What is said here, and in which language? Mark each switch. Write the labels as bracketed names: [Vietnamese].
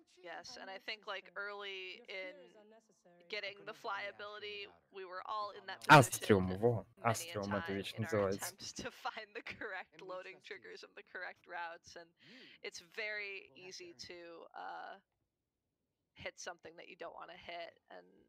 [English] Yes, and I think like early in getting the fly ability, we were all in that position. [Russian] Астриум, во, Астриум, это вещь называется. [English] To find the correct loading triggers and the correct routes, and it's very easy to hit something that you don't want to hit and